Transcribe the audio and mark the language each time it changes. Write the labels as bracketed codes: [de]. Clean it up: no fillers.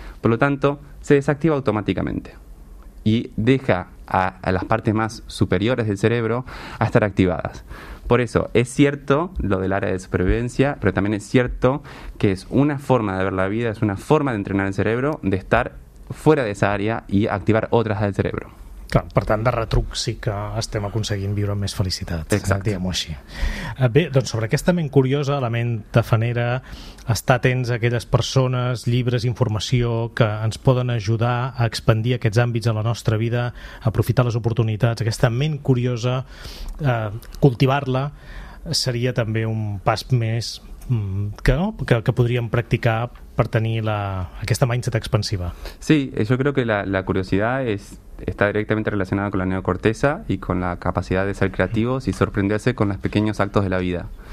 [es] Por lo tanto, se desactiva automáticamente y deja a las partes más superiores del cerebro a estar activadas. Por eso, es cierto lo del área de supervivencia, pero también es cierto que es una forma de ver la vida, es una forma de entrenar el cerebro, de estar fuera de esa área y activar otras del cerebro. [ca] Clar, per tant, de retruc sí que estem aconseguint viure amb més felicitat. Exacte. Diguem-ho així. Bé, doncs sobre aquesta ment curiosa, la ment tafanera, estar atents a aquelles persones, llibres, informació que ens poden ajudar a expandir aquests àmbits a la nostra vida, aprofitar les oportunitats, aquesta ment curiosa, cultivar-la, seria també un pas més que podríem practicar per tenir aquesta mindset expansiva. [es] Sí, yo creo que la curiosidad está directamente relacionada con la neocorteza y con la capacidad de ser creativos y sorprenderse con los pequeños actos de la vida.